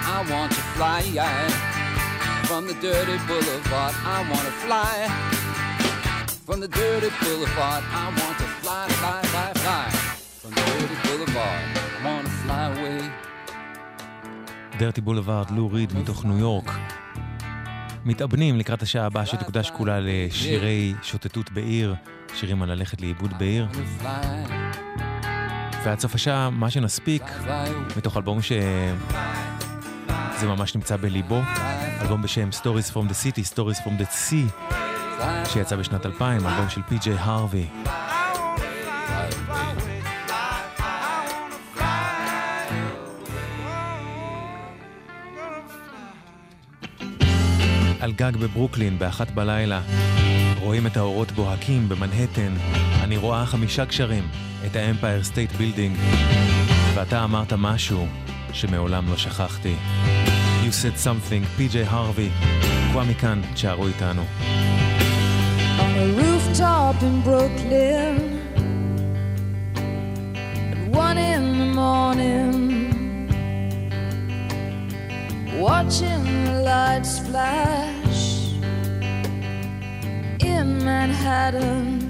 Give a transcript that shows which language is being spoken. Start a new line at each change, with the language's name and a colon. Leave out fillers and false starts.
English: I want to fly, yeah, from the dirty boulevard. I want to fly from the dirty boulevard. I want to fly, fly, fly, fly from the dirty boulevard. I want to fly away.
Hebrew: Dirty Boulevard, Lou Reed, מתוך ניו יורק. מתאבנים לקראת השעה הבאה שתוקדש כולה לשירי שוטטות בעיר, שירים על ללכת לאיבוד בעיר. ועד סוף השעה, מה שנספיק, מתוך אלבום שזה ממש נמצא בליבו, אלבום בשם Stories from the City, Stories from the Sea, שיצא בשנת 2000, אלבום של פי-ג'יי הרווי. על גג בברוקלין באחת בלילה. רואים את האורות בוהקים במנהטן. אני רואה חמישה קשרים, את האמפייר סטייט בילדינג. ואתה אמרת משהו שמעולם לא שכחתי.
English: You said something, PJ Harvey.
Hebrew: קוואמי כאן, תשארו איתנו.
English: On a rooftop in Brooklyn At one in the morning Watching the lights flash In Manhattan